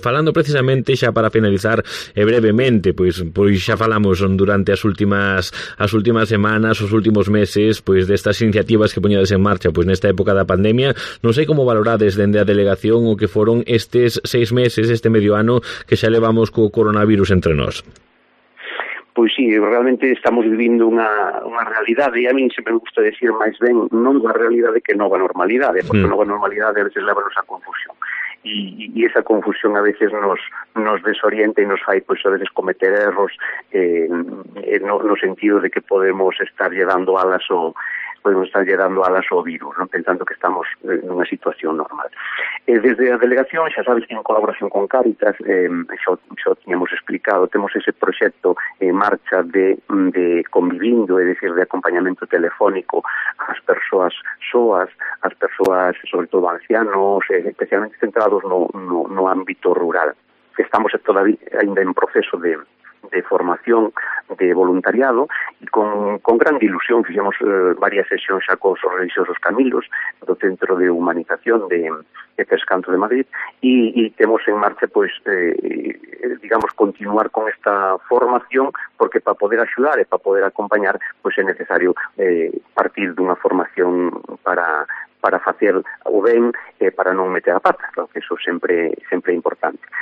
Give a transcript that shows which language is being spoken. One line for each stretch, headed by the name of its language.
Galician: Falando precisamente, xa para finalizar brevemente, pois xa falamos durante as últimas semanas, os últimos meses, pois destas iniciativas que poñades en marcha pois nesta época da pandemia, non sei como valorades dende a delegación o que foron estes 6 meses, este medio ano que xa levamos co coronavirus entre nós. Pois sí, realmente estamos vivindo unha realidade, e a min sempre me gusta decir máis ben non unha realidade que nova normalidade, porque nova normalidade a veces leva-nos a confusión. E esa confusión a veces nos desorienta e nos fai, pois, a veces cometer erros no sentido de que podemos estar llevando alas o podemos estar llegando a las virus, ¿no?
Spanish: Pensando que estamos en una situación normal. Desde la delegación, ya sabes que en colaboración con Cáritas, ya teníamos explicado, tenemos ese proyecto en marcha de convivindo, es decir, de acompañamiento telefónico a las personas soas, a las personas, sobre todo ancianos, especialmente centrados no ámbito rural.
Galician: Estamos todavía ainda en proceso de formación de voluntariado e con grande ilusión fixemos varias sesións xa cos religiosos Camilos do Centro de Humanización de Pescanto de Madrid e temos en marcha pois digamos continuar con esta formación, porque para poder axudar e para poder acompañar pois é necesario partir dunha formación para facer o ben, para non meter a pata, claro, que iso sempre é importante.